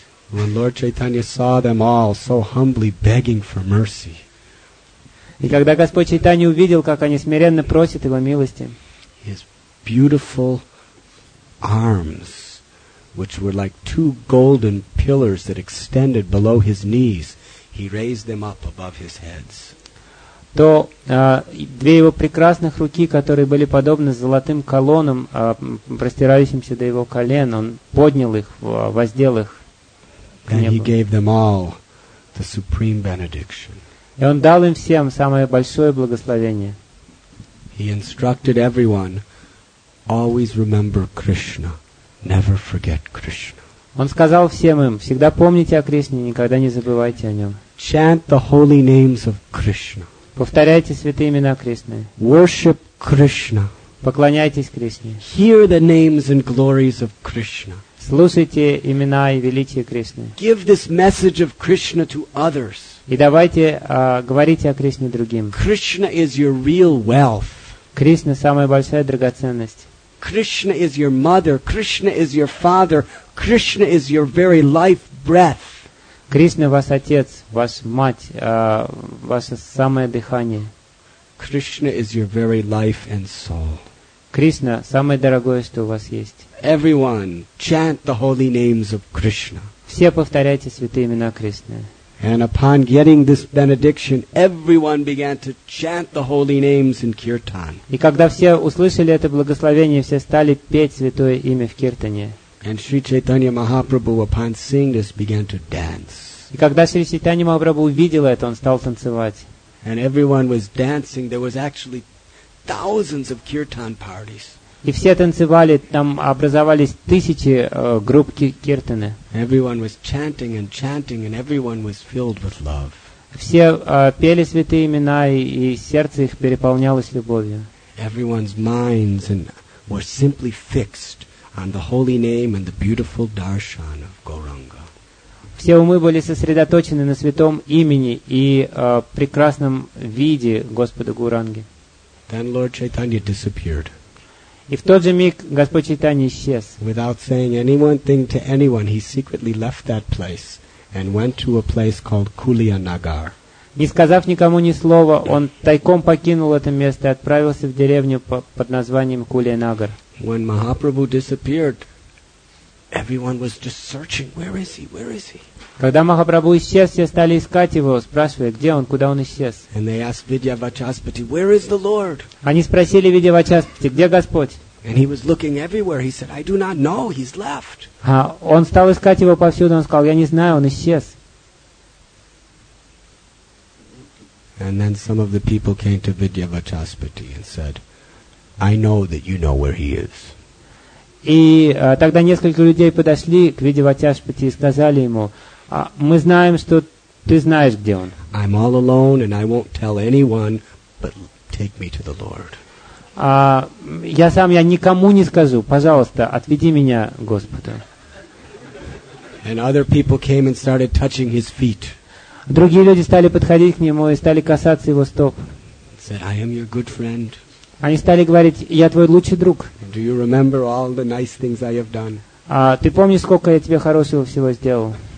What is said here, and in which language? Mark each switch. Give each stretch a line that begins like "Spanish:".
English: When Lord Chaitanya saw them all so humbly begging for mercy,
Russian: и когда Господь Чайтанья увидел, как они смиренно просят его милости,
English: his beautiful arms which were like two golden pillars that extended below his knees, he raised them up above his heads.
Russian: То две его прекрасных руки, которые были подобны золотым колоннам, простирающимся до его колен, он поднял их, воздел их.
English: And he gave them all the supreme benediction.
Russian: И он дал им всем самое большое благословение.
English: He instructed everyone, always remember Krishna, never forget Krishna.
Russian: Он сказал всем им, всегда помните о Кришне, никогда не забывайте о нем.
English: Chant the holy names of Krishna.
Russian: Повторяйте святые имена Кришны.
English: Worship Krishna.
Russian: Поклоняйтесь Кришне.
English: Hear the names and glories of Krishna.
Russian: Слушайте имена и величие Кришны.
English: Give this message of Krishna to others.
Russian: И давайте говорите о Кришне другим.
English: Krishna is your real wealth.
Russian: Кришна самая большая драгоценность.
English: Krishna is your mother. Krishna is your father. Krishna is your very life breath.
Russian: Кришна ваш отец, ваша мать, ваше самое дыхание.
English: Krishna is your very life and soul.
Russian: Кришна самое дорогое, что у вас есть.
English: Everyone chant the holy names of Krishna.
Russian: Все повторяйте святые имена Кришны.
English: And upon getting this benediction, everyone began to chant the holy names in kirtan.
Russian: И когда все услышали это благословение, все стали петь святое имя в киртане.
English: And Sri Chaitanya Mahaprabhu, upon seeing this, began to dance.
Russian: И когда Шри Чайтанья Махапрабху увидел это, он стал танцевать.
English: And everyone was dancing. There was actually thousands of kirtan parties.
Russian: И все танцевали, там образовались тысячи групп киртаны.
English: Everyone was chanting and chanting, and everyone was filled with love.
Russian: Все пели святые имена, и сердце их переполнялось любовью.
English: Everyone's minds and were simply fixed on the holy name and the beautiful darshan of Gauranga.
Russian: Все умы были сосредоточены на святом имени и прекрасном виде Господа Гуранги.
English: Then Lord Chaitanya disappeared.
Russian: И в тот же миг Господь Чайтанья исчез.
English: Without saying any one thing to anyone, he secretly left that place and went to a place called Kulia Nagar.
Russian: Не сказав никому ни слова, он тайком покинул это место и отправился в деревню под названием Кулия Нагар.
English: When Mahaprabhu disappeared, everyone was just searching, where is he? Where is he?
Russian: Когда Махапрабху исчез, все стали искать его, спрашивая, где он, куда он исчез.
English: And they asked Vidya Vachaspati, where is the Lord?
Russian: Они спросили Vidya Vachaspati, где Господь?
English: And he was looking everywhere. He said, I do not know. He's left.
Russian: А он стал искать его повсюду. Он сказал, я не знаю, он исчез.
English: And then some of the people came to Vidya Vachaspati and said, I know that you know where he is.
Russian: И тогда несколько людей подошли к Vidya Vachaspati и сказали ему, мы знаем, что ты знаешь, где он.
English: I'm all alone and I won't tell anyone, but take me to the Lord.
Russian: Я никому не скажу, пожалуйста, отведи меня к Господу.
English: And other people came and started touching his feet.
Russian: Другие люди стали подходить к нему и стали касаться его стоп.
English: Said, I am your good friend.
Russian: Они стали говорить, я твой лучший друг.
English: Do you remember all the nice things I have done?
Russian: Ты помнишь, сколько я тебе хорошего всего сделал?